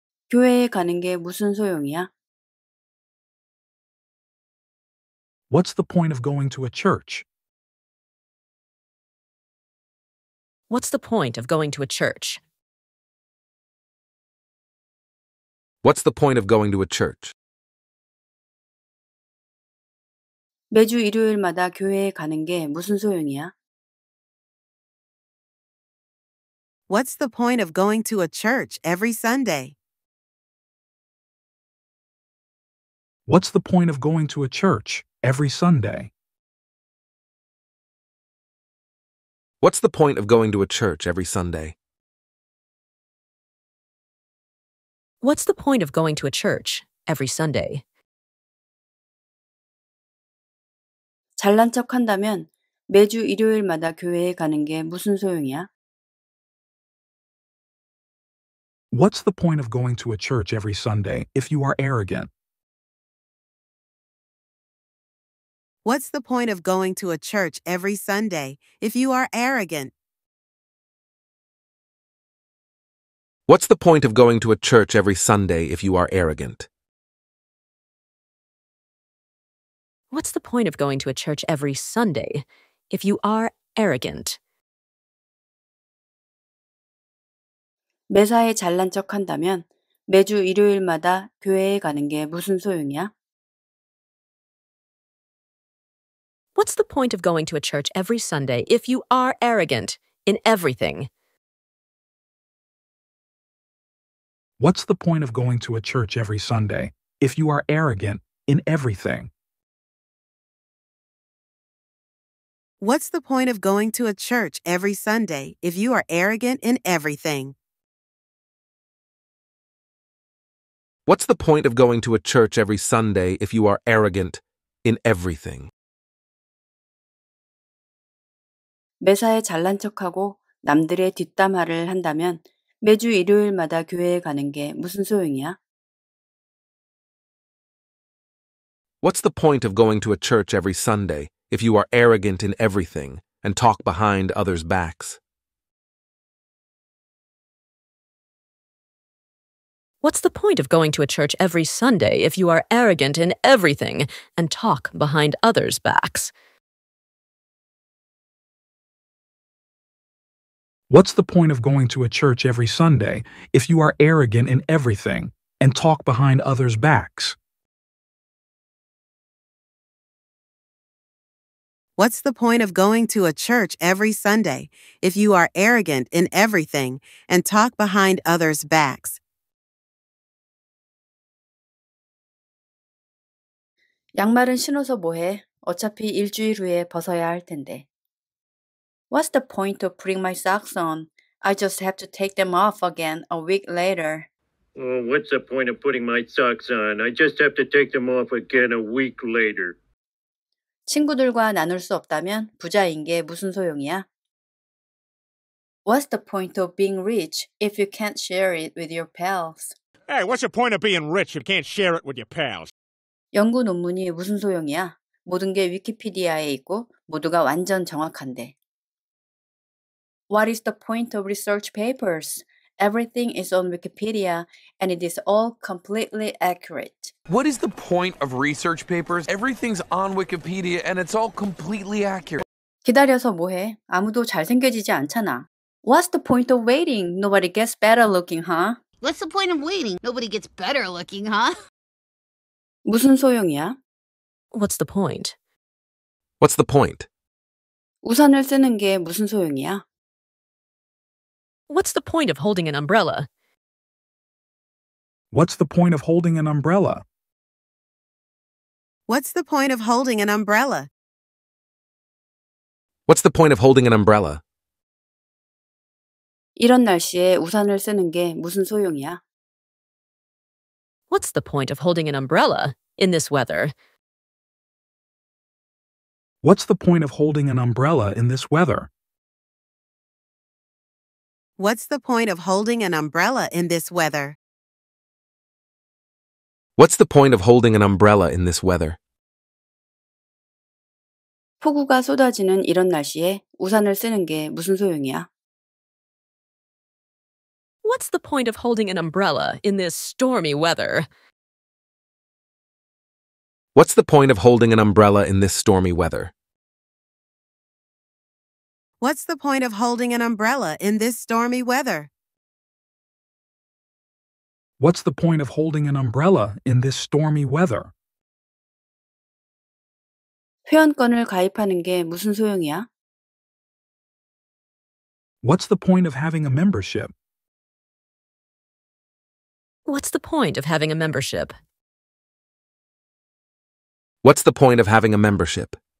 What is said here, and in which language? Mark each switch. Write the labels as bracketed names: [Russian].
[Korean] 교회에 가는 게 무슨 소용이야? [English] What's the point of going to a church? What's the point of going to a church? What's the point of going to a church? [Korean] 매주 일요일마다 교회에 가는 게 무슨 소용이야? [English] What's the point of going to a church every Sunday? What's the point of going to a church every Sunday? What's the point of going to a church every Sunday? What's the point of going to a church every Sunday? [Korean] 잘난 척한다면 매주 일요일마다 교회에 가는 게 무슨 소용이야? [English] What's the point of going to a church every Sunday if you are arrogant? What's the point of going to a church every Sunday if you are arrogant? What's the point of going to a church every Sunday if you are arrogant? What's the point of going to a church every Sunday if you are arrogant? [Korean] 매사에 잘난 척한다면 매주 일요일마다 교회에 가는 게 무슨 소용이야? [English] What's the point of going to a church every Sunday if you are arrogant in everything? What's the point of going to a church every Sunday if you are arrogant in everything? What's the point of going to a church every Sunday if you are arrogant in everything? What's the point of going to a church every Sunday if you are arrogant in everything? [Korean] 매사에 잘난 척하고 남들의 뒷담화를 한다면 매주 일요일마다 교회에 가는 게 무슨 소용이야? [English] What's the point of going to a church every Sunday if you are arrogant in everything and talk behind others' backs? What's the point of going to a church every Sunday if you are arrogant in everything and talk behind others' backs? What's the point of going to a church every Sunday if you are arrogant in everything and talk behind others' backs? What's the point of going to a church every Sunday if you are arrogant in everything and talk behind others' backs? [Korean] 양말은 신어서 뭐해? 어차피 일주일 후에 벗어야 할 텐데. [English] What's the point of putting my socks on? I just have to take them off again a week later. Well, what's the point of putting my socks on? I just have to take them off again a week later. [Korean] 친구들과 나눌 수 없다면 부자인 게 무슨 소용이야? [English] What's the point of being rich if you can't share it with your pals? Hey, what's the point of being rich if you can't share it with your pals? [Korean] 연구 논문이 무슨 소용이야? 모든 게 위키피디아에 있고 모두가 완전 정확한데. [English] What is the point of research papers? Everything is on Wikipedia, and it is all completely accurate. What is the point of research papers? Everything's on Wikipedia, and it's all completely accurate. [Korean] 기다려서 뭐해? 아무도 잘생겨지지 않잖아. [English] What's the point of waiting? Nobody gets better looking, huh? What's the point of waiting? Nobody gets better looking, huh? [Korean] 무슨 소용이야? [English] What's the point? What's the point? [Korean] 우산을 쓰는 게 무슨 소용이야? [English] What's the point of holding an umbrella? What's the point of holding an umbrella? What's the point of holding an umbrella? What's the point of holding an umbrella? [Korean] 이런 날씨에 우산을 쓰는 게 무슨 소용이야? [English] What's the point of holding an umbrella in this weather? What's the point of holding an umbrella in this weather? What's the point of holding an umbrella in this weather? What's the point of holding an umbrella in this weather? [Korean] 폭우가 쏟아지는 이런 날씨에 우산을 쓰는 게 무슨 소용이야? [English] What's the point of holding an umbrella in this stormy weather? What's the point of holding an umbrella in this stormy weather? What's the point of holding an umbrella in this stormy weather? What's the point of holding an umbrella in this stormy weather? [Korean] 회원권을 가입하는 게 무슨 소용이야? [English] What's the point of having a membership? What's the point of having a membership? What's the point of having a membership?